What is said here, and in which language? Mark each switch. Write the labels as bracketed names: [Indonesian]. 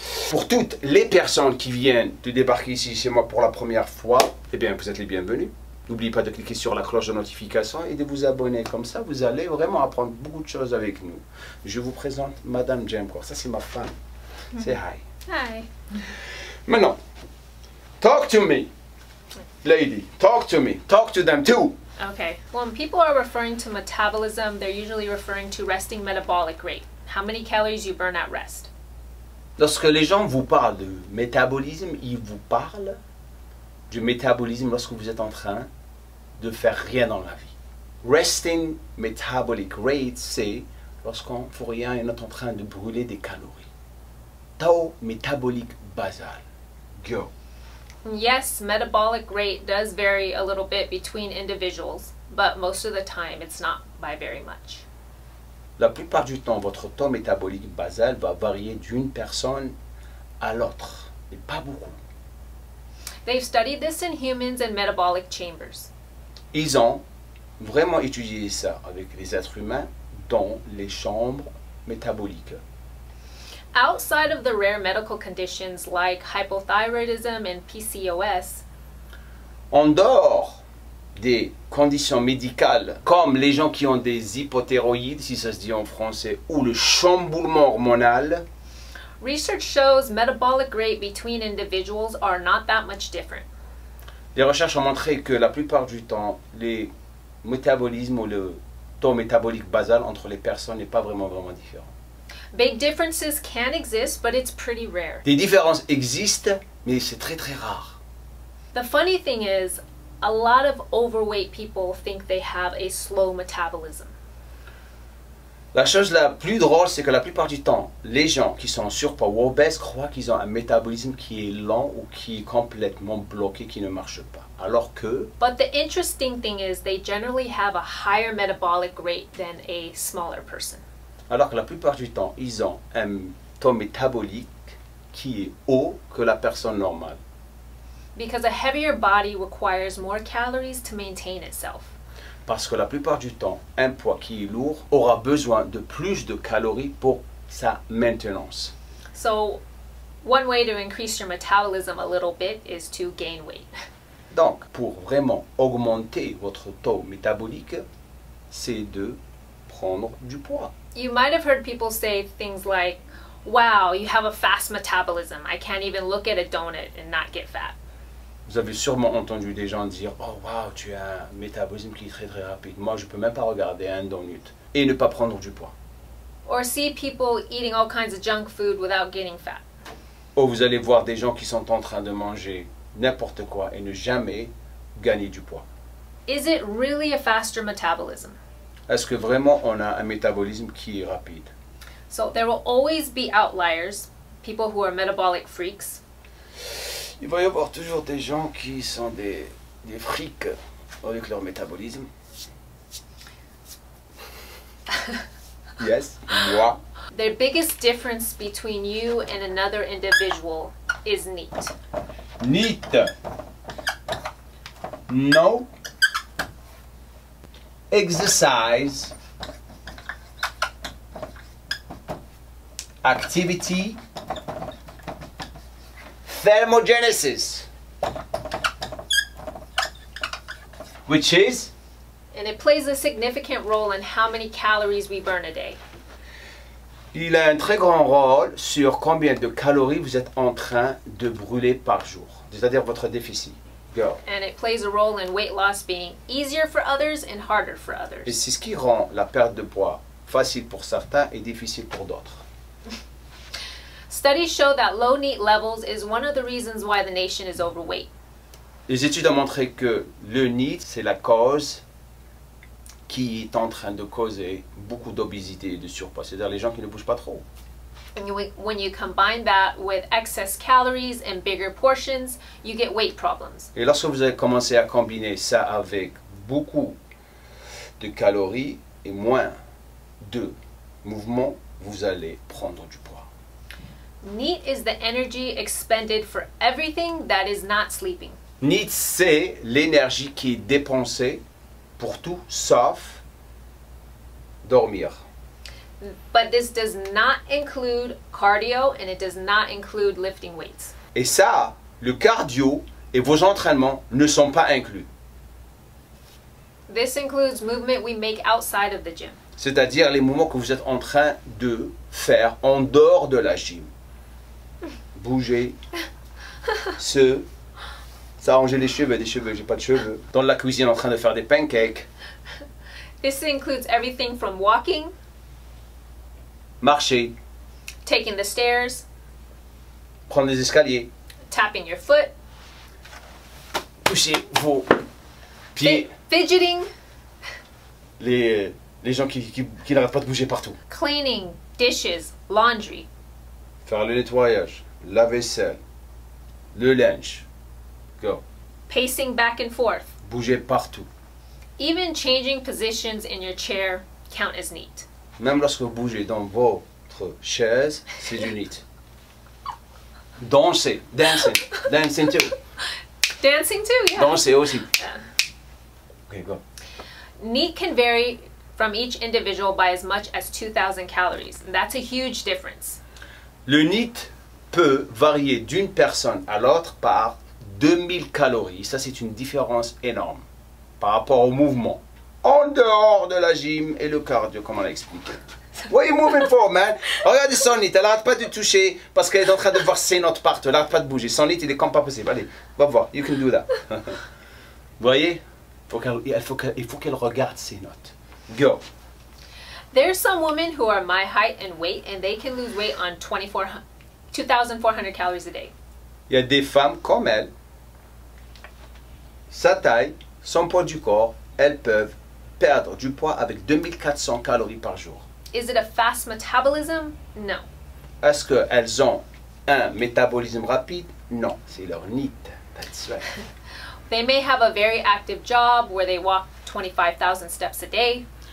[French] Pour toutes les personnes qui viennent de débarquer ici chez moi pour la première fois, eh bien, vous êtes les bienvenus. N'oubliez pas de cliquer sur la cloche de notification et de vous abonner. Comme ça, vous allez vraiment apprendre beaucoup de choses avec nous. Je vous présente madame Jamcore. Ça, c'est ma femme. C'est hi. [English] Hi. [French] Maintenant, [English] talk to me, lady. Talk to me. Talk to them too. Okay. When people are referring to metabolism, they're usually referring to resting metabolic rate. How many calories you burn at rest? [French] Lorsque les gens vous parlent de métabolisme, ils vous parlent du métabolisme lorsque vous êtes en train de faire rien dans la vie. [English] Resting metabolic rate, [French] c'est lorsqu'on ne fait rien et on est en train de brûler des calories. Tau métabolique basal. Go. [English] Yes, metabolic rate does vary a little bit between individuals, but most of the time it's not by very much. [French] La plupart du temps, votre taux métabolique basal va varier d'une personne à l'autre, mais pas beaucoup. [English] They've studied this in humans and metabolic chambers. [French] Ils ont vraiment étudié ça avec les êtres humains dans les chambres métaboliques. [English] Outside of the rare medical conditions like hypothyroidism and PCOS, [French] en dehors des conditions médicales comme les gens qui ont des hypothyroïdes, si ça se dit en français, ou le chamboulement hormonal, [English] research shows metabolic rate between individuals are not that much different. [French] Les recherches ont montré que la plupart du temps, les métabolismes ou le taux métabolique basal entre les personnes n'est pas vraiment différent. [English] Big differences can exist, but it's pretty rare. [French] Des différences existent, mais c'est très très rare. [English] The funny thing is, a lot of overweight people think they have a slow metabolism. [French] La chose la plus drôle, c'est que la plupart du temps, les gens qui sont surpoids ou obèses croient qu'ils ont un métabolisme qui est lent ou qui est complètement bloqué, qui ne marche pas. Alors que... [English] But the interesting thing is, they generally have a higher metabolic rate than a smaller person. [French] Alors que la plupart du temps, ils ont un taux métabolique qui est haut que la personne normale. [English] Because a heavier body requires more calories to maintain itself. [French] Parce que la plupart du temps, un poids qui est lourd aura besoin de plus de calories pour sa maintenance. [English] So, one way to increase your metabolism a little bit is to gain weight. [French] Donc, pour vraiment augmenter votre taux métabolique, c'est de prendre du poids. [English] You might have heard people say things like, wow, you have a fast metabolism. I can't even look at a donut and not get fat. [French] Vous avez sûrement entendu des gens dire, oh wow, tu as un métabolisme qui est très très rapide. Moi, je ne peux même pas regarder un donut et ne pas prendre du poids. [English] Or see people eating all kinds of junk food without getting fat. [French] Ou vous allez voir des gens qui sont en train de manger n'importe quoi et ne jamais gagner du poids. [English] Is it really a faster metabolism? [French] Est-ce que vraiment on a un métabolisme qui est rapide? [English] So there will always be outliers, people who are metabolic freaks. [French] Il va y avoir toujours des gens qui sont des frics avec leur métabolisme. [English] Yes, moi. The biggest difference between you and another individual is neat. Neat. No. Exercise. Activity. Thermogenesis, which is? And it plays a significant role in how many calories we burn a day. [French] Il a un très grand rôle sur combien de calories vous êtes en train de brûler par jour, c'est-à-dire votre déficit. [English] Go. And it plays a role in weight loss being easier for others and harder for others. [French] Et c'est ce qui rend la perte de poids facile pour certains et difficile pour d'autres. [English] Studies show that low NEAT levels is one of the reasons why the nation is overweight. [French] Les études ont montré que le NEAT, c'est la cause qui est en train de causer beaucoup d'obésité et de surpoids, c'est-à-dire les gens qui ne bougent pas trop. [English] When you combine that with excess calories and bigger portions, you get weight problems. [French] Et lorsque vous avez commencé à combiner ça avec beaucoup de calories et moins de mouvement, vous allez prendre du poids. [English] NEAT is the energy expended for everything that is not sleeping. [French] NEAT, c'est l'énergie qui est dépensée pour tout sauf dormir. [English] But this does not include cardio and it does not include lifting weights. [French] Et ça, le cardio et vos entraînements ne sont pas inclus. [English] This includes movement we make outside of the gym. [French] C'est-à-dire les mouvements que vous êtes en train de faire en dehors de la gym. Bouger, se s'arranger les cheveux, j'ai pas de cheveux. Dans la cuisine en train de faire des pancakes. [English] This includes everything from walking. [French] Marcher. [English] Taking the stairs. [French] Prendre les escaliers. [English] Tapping your foot. [French] Toucher vos pieds. [English] Fidgeting. [French] Les gens qui n'arrêtent pas de bouger partout. [English] Cleaning, dishes, laundry. [French] Faire le nettoyage, la vaisselle, le linge. Go. [English] Pacing back and forth. [French] Bouger partout. [English] Even changing positions in your chair count as neat. [French] Même lorsque vous bougez dans votre chaise, c'est du neat. Danser, [English] dancing too. Dancing too, yeah. [French] Danser aussi. [English] Okay, go. Neat can vary from each individual by as much as 2,000 calories. That's a huge difference. [French] Le neat peut varier d'une personne à l'autre par 2000 calories. Ça, c'est une différence énorme par rapport au mouvement. En dehors de la gym et le cardio, comme on l'a expliqué. [English] What are you moving for, man? [French] Regardez son lit, elle arrête pas de toucher parce qu'elle est en train de voir ses notes partout. Elle arrête pas de bouger. Son lit, il est comme pas possible. Allez, va voir. [English] You can do that. [French] Vous voyez? Il faut qu'elle regarde ses notes. [English] Go. There are some women who are my height and weight and they can lose weight on 2,400 calories a day. [French] Il y a des femmes comme elle, sa taille, son poids du corps, elles peuvent perdre du poids avec 2400 calories par jour. [English] Is it a fast metabolism? No. [French] Est-ce qu'elles ont un métabolisme rapide? Non, c'est leur NEAT. [English] That's right. They may have a very active job where they walk 25,000 steps a day.